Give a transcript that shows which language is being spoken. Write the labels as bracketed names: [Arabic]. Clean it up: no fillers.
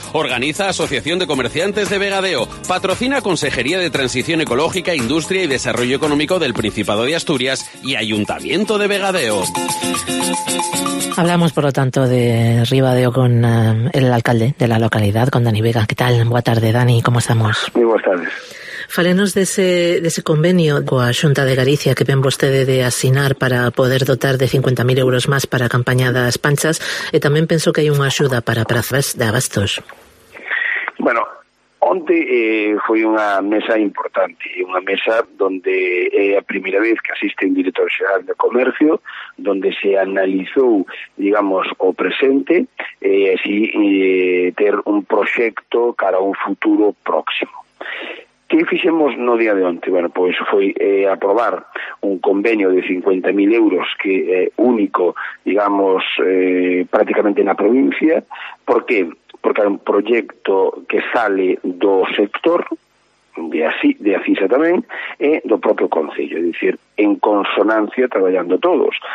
[Spanish] Organiza Asociación de Comerciantes de Vegadeo. Patrocina Consejería de Transición Ecológica, Industria y Desarrollo Económico del Principado de Asturias y Ayuntamiento de Vegadeo. Hablamos, por lo tanto, de Ribadeo con el alcalde de la localidad, con Dani Vega. ¿Qué tal? Buenas tardes, Dani. ¿Cómo estamos? Muy buenas tardes. [Galician] Falenos de ese convenio coa Xunta de Galicia que ven vostede de asinar para poder dotar de 50.000 euros máis para a campaña das panchas, e tamén penso que hai unha axuda para prazas de abastos. Bueno, onte foi unha mesa importante, unha mesa donde é a primeira vez que asiste un director xeral de comercio, donde se analizou, digamos, o presente, ter un proxecto cara a un futuro próximo. ¿Qué fixemos no día de onte? Bueno, pues foi aprobar un convenio de 50.000 euros que é único, digamos, prácticamente na provincia. ¿Por qué? Porque é un proyecto que sale do sector, de Asisa tamén, e do propio concello, es decir, en consonancia traballando todos.